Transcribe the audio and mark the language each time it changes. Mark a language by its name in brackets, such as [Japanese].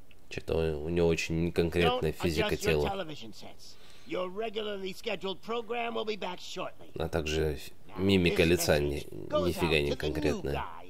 [Russian] Что-то у него очень конкретная физика тела. [English] Your regularly scheduled program will be back shortly. [Russian] А также мимика лица нифига не конкретная.